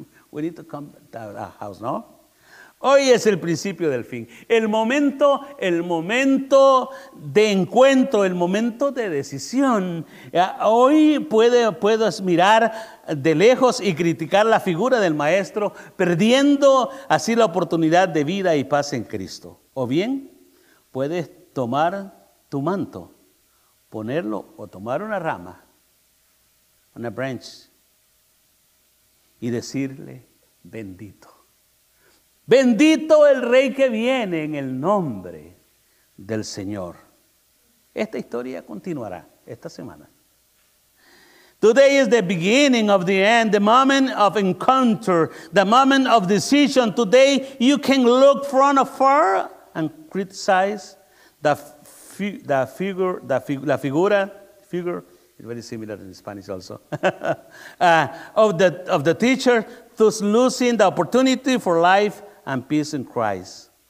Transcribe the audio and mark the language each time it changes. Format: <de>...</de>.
<en>We need to come to our house, no?</en> <es>Hoy es el principio del fin. El momento de encuentro, el momento de decisión. Hoy puedo mirar de lejos y criticar la figura del maestro, perdiendo así la oportunidad de vida y paz en Cristo. O bien, puedes tomar tu manto, ponerlo o tomar una rama, una branch, y decirle bendito. Bendito el rey que viene en el nombre del Señor. Esta historia continuará esta semana.</es> <en>Today is the beginning of the end, the moment of encounter, the moment of decision. Today you can look from afar and criticize the figure, it's very similar in Spanish also, of the teacher, thus losing the opportunity for life and peace in Christ.</en>